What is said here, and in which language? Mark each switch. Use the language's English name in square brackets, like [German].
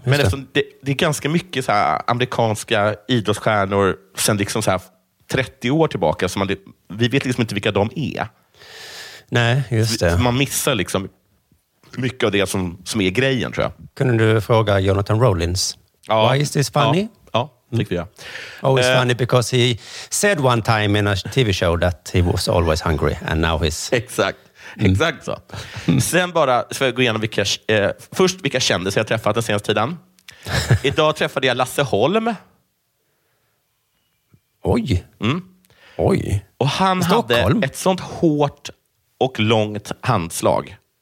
[Swedish] men eftersom det är ganska mycket så här amerikanska idrottsstjärnor sen liksom så här 30 år tillbaka. Så vi vet liksom inte vilka de är. Nej, just det. Man missar liksom mycket av det som är grejen, tror jag. Kunde du fråga Jonathan Rollins? Ja. [English] Why is this funny? [Swedish] Ja, tycker vi. [English] Oh, it's funny because he said one time in a TV show that he was always hungry and now he's... [Swedish] Exakt, exakt så. Sen bara, så jag gå igenom vilka kändisar jag träffat den senaste tiden. Idag träffade jag Lasse Holm. Oj. Mm. Oj. Och han Stockholm. Hade ett sånt hårt och långt handslag.